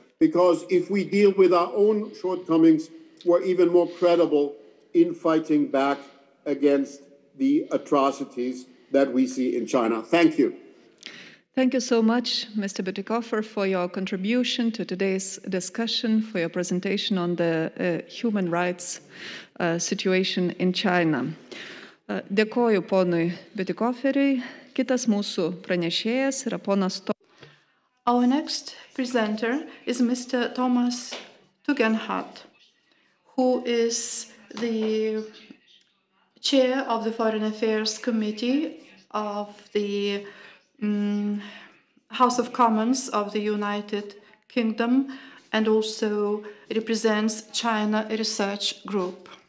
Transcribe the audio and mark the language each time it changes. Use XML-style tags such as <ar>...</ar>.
<en>Because if we deal with our own shortcomings, we're even more credible in fighting back against the atrocities that we see in China. Thank you. Thank you so much, Mr. Bütikofer, for your contribution to today's discussion, for your presentation on the human rights situation in China.</en> <lt>Dėkoju ponui Bütikoferiui. Kitas mūsų pranešėjas yra ponas</lt> <en>Our next presenter is Mr. Thomas Tugendhat, who is the chair of the Foreign Affairs Committee of the House of Commons of the United Kingdom and also represents China Research Group.</en>